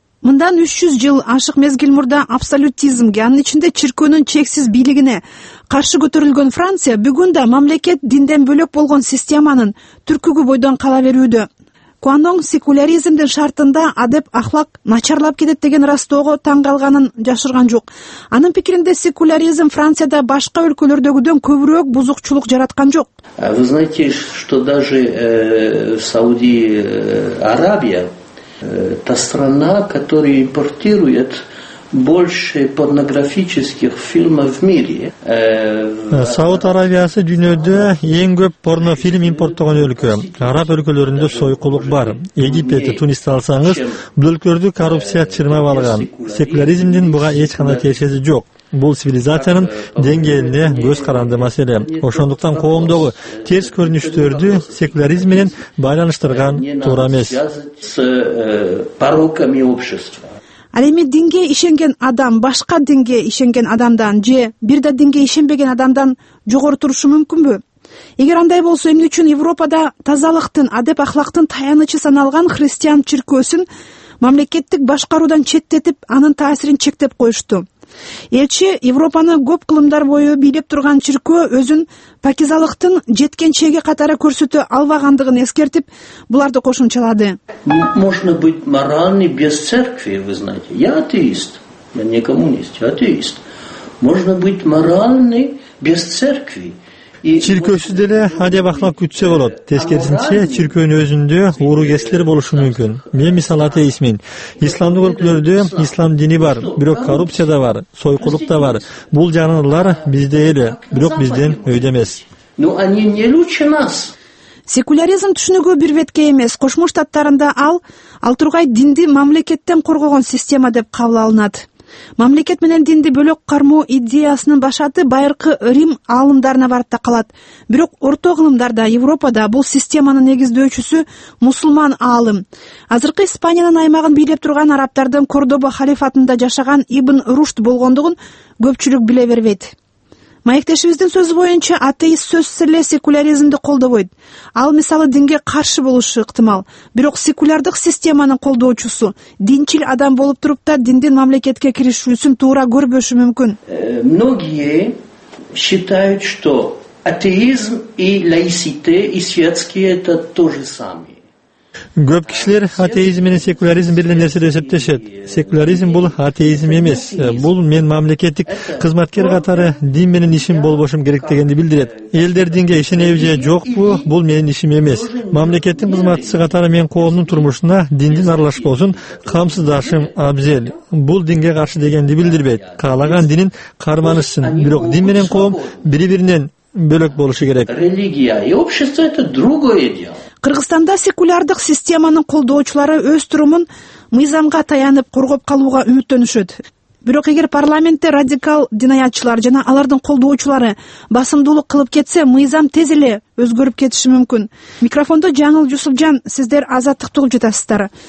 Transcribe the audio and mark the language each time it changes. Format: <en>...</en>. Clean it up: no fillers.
<ky>Мындан 300 жыл ашык мезгил мурда абсолютизмге, анын ичинде чиркөөнүн чексиз бийлигине каршы көтөрүлгөн Франция бүгүн да мамлекет динден бөлөк болгон системанын түркүгү бойдон кала берүүдө. Куандоң секуляризмдин шартында адеп ахлак начарлап кетет деген ырастоого таң калганын жашырган жок. Анын пикиринде секуляризм Францияда башка өлкөлөрдөгүдөн көбүрөөк бузукчулук жараткан жок.</ky> <ru>Вы знаете, что даже в Саудии Арабия та страна, которая импортирует больше порнографических фильмов в мире.</ru> <ky>Сауд Аравиясы дүйнөдө эң көп порнофильм импорттогон өлкө. Араб өлкөлөрүндө сойкулук бар. Египетти, Тунисти алсаңыз, бул өлкөлөрдү коррупция чырмап алган. Секуляризмдин буга эч кандай тиешеси жок. Бул цивилизациянын деңгээлине көз каранды маселе. Ошондуктан коомдогу терс көрүнүштөрдү секуляризм менен байланыштырган туура эмес. Ал эми динге ишенген адам башка динге ишенген адамдан же бир да динге ишенбеген адамдан жогору турушу мүмкүнбү? Эгер андай болсо, эмне үчүн Европада тазалыктын, адеп ахлактын таянычы саналган христиан чиркөөсүн мамлекеттик башкаруудан четтетип, анын таасирин чектеп коюшту? Элчи Европаны көп кылымдар бою бийлеп турган чиркөө өзүн пакизалыктын жеткенчеги катары көрсөтө албагандыгын эскертип, буларды кошумчалады.</ky> <ru>Можно быть моральный без церкви, вы знаете. Я атеист. Я не коммунист, я атеист. Можно быть моральный без церкви.</ru> <ky>Чиркөөсүз деле адеп ахлак күтсө болот. Тескерисинче, чиркөөнүн өзүндө оорукесилер болушу мүмкүн. Мен мисалы атеистмин. Исламдык өлкөлөрдө ислам дини бар, бирок коррупция да бар, сойкулук да бар. Бул жаныбарлар бизде эле, бирок бизден өйдө эмес.</ky> <ru>Но они не лучше нас.</ru> <ky>Секуляризм түшүнүгү бир беткей эмес. Кошмо Штаттарында ал алтургай динди мамлекеттен коргогон система деп кабыл алынат. Мамлекет менен динди бөлөк кармоо идеясынын башаты байыркы Рим аалымдарына барып такалат. Бирок орто кылымдарда Европада бул системанын негиздөөчүсү мусулман аалым. Азыркы Испаниянын аймагын бийлеп турган арабтардын Кордоба халифатында жашаган Ибн Рушд болгондугун көпчүлүк биле бербейт. Маектешибиздин сөзү боюнча атеист сөзсүз эле секуляризмди колдобойт. Ал мисалы динге каршы болушу ыктымал, бирок секулярдык системанын колдоочусу динчил адам болуп туруп да диндин мамлекетке киришүүсүн туура көрбөшү мүмкүн.</ky> <ru>Многие считают, что атеизм и лаисите и светские это то же самое.</ru> <ky>Көп кишилер атеизм менен секуляризм бир эле нерсе деп эсептешет. Секуляризм бул атеизм эмес. Бул мен мамлекеттик кызматкер катары дин менен ишим болбошум керек дегенди билдирет. Элдер динге ишенеби же жокпу, бул менин ишим эмес. Мамлекеттин кызматчысы катары мен коомдун турмушуна диндин аралашпоосун камсыздашым абзел. Бул динге каршы дегенди билдирбейт. Каалаган динин карманышсын, бирок дин менен коом бири биринен бөлөк болушу керек.</ky> <ru>Религия и общество это другое дело.</ru> <ky>Кыргызстанда секулярдык системанын колдоочулары өз турумун мыйзамга таянып коргоп калууга үмүттөнүшөт. Бирок эгер парламентте радикал динаятчылар жана алардын колдоочулары басымдуулук кылып кетсе, мыйзам тез эле өзгөрүп кетиши мүмкүн. Микрофондо Жаңыл Жусупжан, сиздер азаттыкты угуп жатасыздар.</ky>